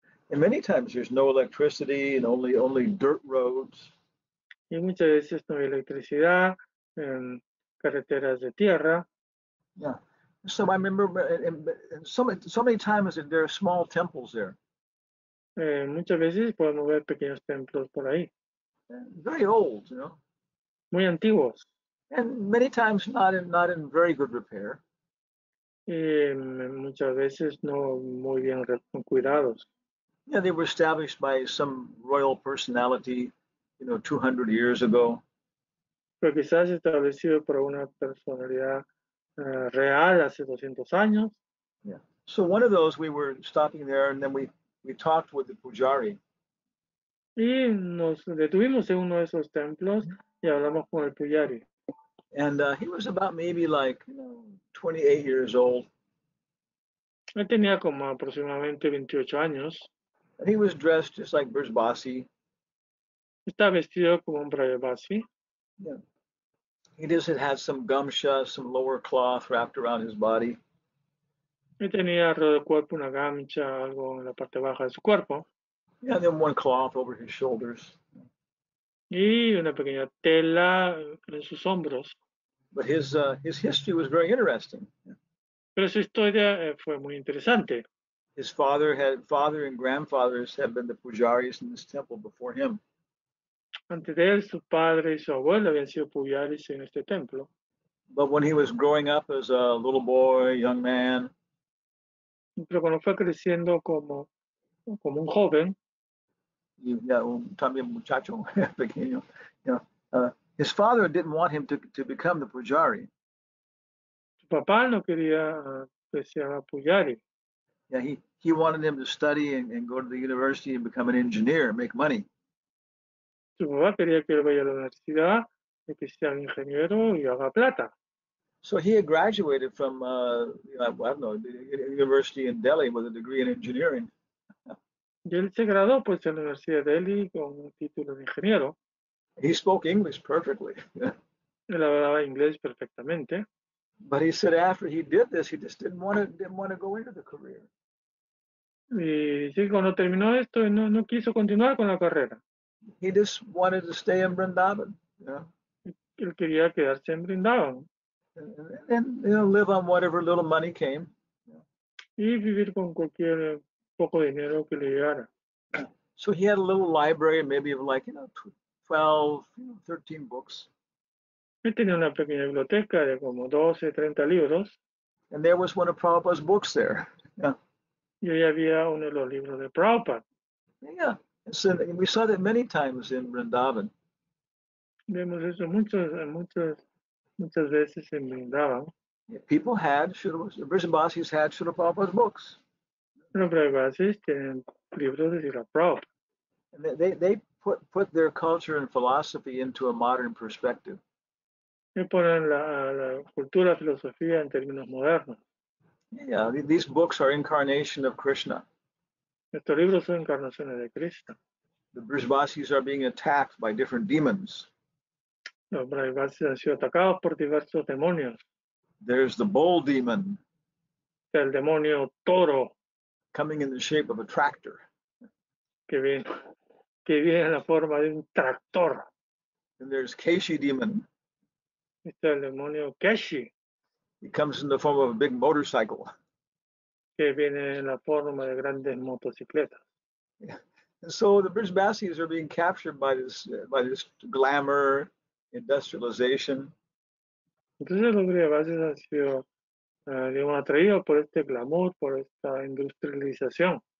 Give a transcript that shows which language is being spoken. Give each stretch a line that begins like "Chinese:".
English: And many times there's no electricity and only dirt roads.
Spanish: Y muchas veces no hay electricidad, carreteras de tierra.
English: Yeah. So I remember so many times that there are small temples there.
Spanish: Muchas veces podemos ver pequeños templos por ahí.
English: Very old, you know.
Spanish: Muy antiguos.
English: And many times not in very good repair.
Spanish: Y muchas veces no muy bien cuidados.
English: Yeah, they were established by some royal personality, you know, 200 years ago.
Spanish: Pero quizás establecido por una personalidad real hace 200 años.
English: Yeah. So one of those, we were stopping there, and then we talked with the pujari.
Spanish: Y nos detuvimos en uno de esos templos y hablamos con el pujari.
English: And he was about maybe like, you know, 28 years old.
Spanish: Él tenía como aproximadamente 28 años.
English: And he was dressed just like Brajbasi.
Spanish: Está vestido como un Brajbasi.
English: Yeah. He just had some gamsha, some lower cloth wrapped around his body.
Spanish: Y tenía alrededor del cuerpo una gamcha, algo en la parte baja de su cuerpo.
English: Yeah, then one cloth over his shoulders.
Spanish: Y una pequeña tela en sus hombros.
English: But his history was very interesting.
Spanish: Pero su historia fue muy interesante.
English: His father and grandfathers had been the pujaris in this temple before him.
Spanish: Antes de él, su padre y su abuelo habían sido pujaris en este templo.
English: But when he was growing up as a little boy, young man.
Spanish: Pero cuando fue creciendo como un joven. Yeah, también muchacho pequeño. Yeah.
English: His father didn't want him to become the pujari.
Spanish: Su papá no quería que sea pujari.
English: Yeah, he wanted him to study and go to the university and become an engineer and make money.
Spanish: Su papá quería que él vaya a la universidad y que sea un ingeniero y haga plata.
English: So he had graduated from the university in Delhi with a degree in engineering.
Spanish: Y él se graduó pues en la Universidad de Delhi con un título de ingeniero.
English: He spoke English perfectly.
Spanish: Él hablaba inglés perfectamente.
English: But he said after he did this, he just didn't want to go into the career.
Spanish: Y sí, cuando terminó esto, no quiso continuar con la carrera.
English: He just wanted to stay in Vrindavan. Yeah.
Spanish: Él quería quedarse en Vrindavan.
English: And you know, live on whatever little money came.
Spanish: Y vivir con cualquier poco dinero que le llegara.
English: So he had a little library, maybe of like, you know, 12, 13 books.
Spanish: Él tenía una pequeña biblioteca de como 12, 30 libros.
English: And there was one of Prabhupada's books there. Yeah.
Spanish: Y ahí había uno de los libros de Prabhupada.
English: Yeah. So, and we saw that many times in Vrindavan.
Spanish: Vemos eso muchas veces en Vrindavan.
English: Yeah, people had, Brajbasis had Srila Prabhupada's books.
Spanish: Los Brajbasis tienen libros de Srila Prabhupada.
English: And they put their culture and philosophy into a modern perspective.
Spanish: Y ponen la cultura, filosofía en términos modernos.
English: Yeah, these books are incarnation of Krishna.
Spanish: Estos libros son encarnaciones de Krishna.
English: The Brajbasis are being attacked by different demons.
Spanish: Los Brajbasis han sido atacados por diversos demonios.
English: There's the bull demon.
Spanish: El demonio toro.
English: Coming in the shape of a tractor.
Spanish: Que viene en la forma de un tractor.
English: And there's Keshi demon.
Spanish: Está el demonio Keshi.
English: He comes in the form of a big motorcycle.
Spanish: Que viene en la forma de grandes motocicletas.
English: Yeah. And so the Brajbasis are being captured by this glamour, industrialization.
Spanish: Entonces los Brajbasis han sido
Italian: Vivono attraiti
Spanish: por este glamour, por esta industrialización.